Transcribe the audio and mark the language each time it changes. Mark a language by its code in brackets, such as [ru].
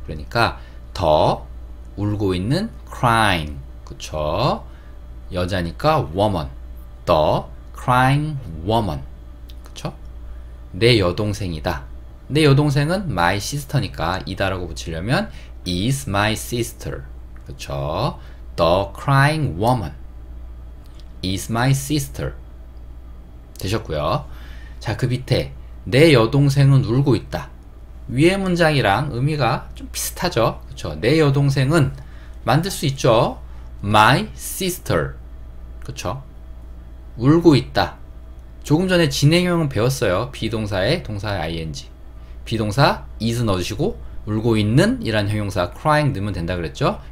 [ko] 그러니까 더 울고 있는 crying 그쵸? 여자니까 woman 더 crying woman 그쵸? 내 여동생이다. 내 여동생은 my sister니까 이다 라고 붙이려면 [en] is my sister [ko] 그쵸? [en] The crying woman is my sister [ko] 되셨고요. 자, 그 밑에 내 여동생은 울고 있다. 위에 문장이랑 의미가 좀 비슷하죠? 그쵸? 내 여동생은 만들 수 있죠? [en] My sister [ko] 그쵸? 울고 있다. 조금 전에 진행형은 배웠어요. 비동사에 동사의 ing 비동사 is 넣으시고 울고 있는 이란 형용사 crying 넣으면 된다 그랬죠?